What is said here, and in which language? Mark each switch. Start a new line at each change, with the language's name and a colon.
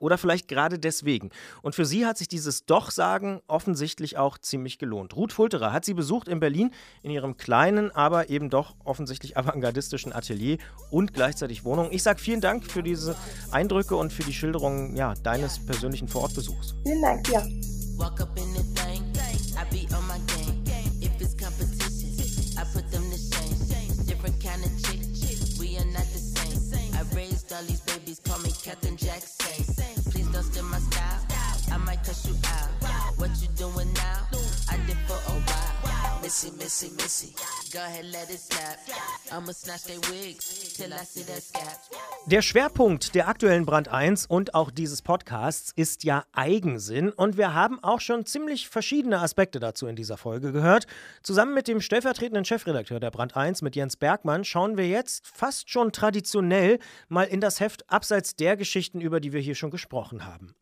German: Oder vielleicht gerade deswegen. Und für sie hat sich dieses Doch-Sagen offensichtlich auch ziemlich gelohnt. Ruth Fulterer hat sie besucht in Berlin in ihrem kleinen, aber eben doch offensichtlich avantgardistischen Atelier und gleichzeitig Wohnung. Ich sage vielen Dank für diese Eindrücke und für die Schilderung deines persönlichen Vorortbesuchs. Vielen Dank dir.
English: Walk up in the thing, I be on my game. If it's competition, I put them to shame. Different kind of chick, we are not the same. I raised all these babies, call me Captain Jack Sane. Please don't steal my style, I might cuss you out. What you doing now? I did for a while. Missy, missy, missy, go ahead, let it snap. I'ma snatch their wigs till I see their scalp.
German: Der Schwerpunkt der aktuellen Brand 1 und auch dieses Podcasts ist ja Eigensinn und wir haben auch schon ziemlich verschiedene Aspekte dazu in dieser Folge gehört. Zusammen mit dem stellvertretenden Chefredakteur der Brand 1, mit Jens Bergmann, schauen wir jetzt fast schon traditionell mal in das Heft abseits der Geschichten, über die wir hier schon gesprochen haben.